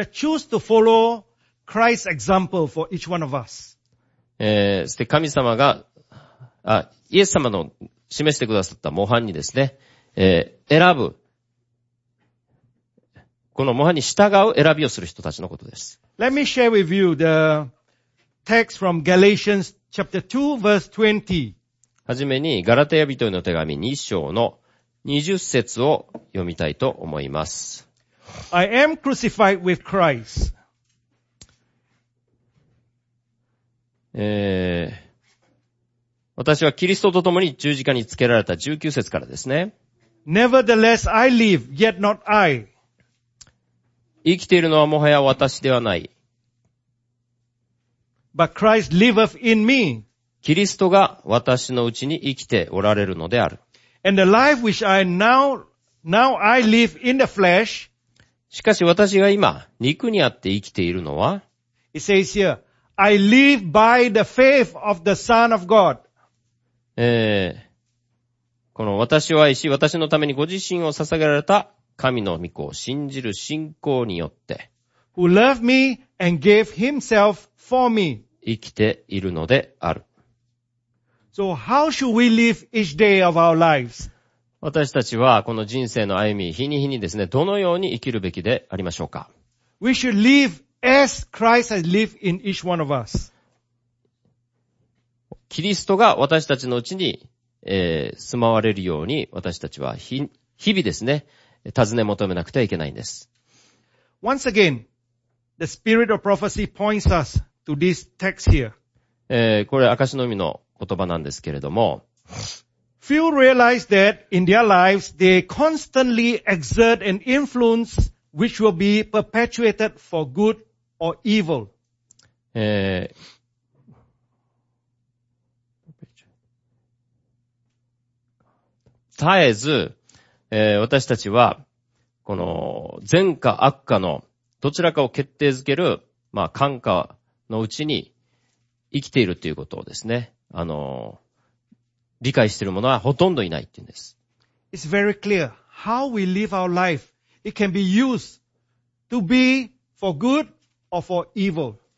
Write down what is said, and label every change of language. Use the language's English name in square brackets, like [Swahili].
[English] They choose to follow Christ's example for each one of us. [Japanese] そして神様が、イエス様の示してくださった模範にですね、選ぶ。この模範に従う選びをする人たちのことです。 [English] Let me share with you the text from Galatians chapter 2 verse 20. [Japanese] はじめにガラテヤ人への手紙2章の20節を読みたいと思います。 [English] I am crucified with Christ. [Japanese] 私はキリストと共に十字架につけられた19節からですね。 [English] Nevertheless, I live, yet not I. [Japanese] 生きているのはもはや私ではない。 [English] But Christ liveth in me. [Japanese] キリストが私のうちに生きておられるのである。 [English] And the life which I now I live in the flesh. [Japanese] しかし私が今、肉にあって生きているのは、 [English] It says here, I live by the faith of the Son of God. [Japanese] この私を愛し、私のためにご自身を捧げられた神の御子を信じる信仰によって、 [English] Who loved me and gave himself for me. [Japanese] 生きているのである。 [English] So how should we live each day of our lives? [Japanese] 私たちはこの人生の歩み、日に日にですね、どのように生きるべきでありましょうか。 [English] We should live as Christ has lived in each one of us. [Japanese] キリストが私たちのうちに、住まわれるように私たちは日々ですね、尋ね求めなくてはいけないんです。 [English] Once again, the spirit of prophecy points us to this text here. [Japanese] これ、証の御の言葉なんですけれども。 [English] Few realize that in their lives, they constantly exert an influence which will be perpetuated for good or evil. [Japanese] たえず、私たちは、この善か悪かのどちらかを決定づける、まあ、感化のうちに生きているということをですね、理解しているものはほとんどいないというんです。 [English] It's very clear how we live our life. It can be used to be for good or for evil.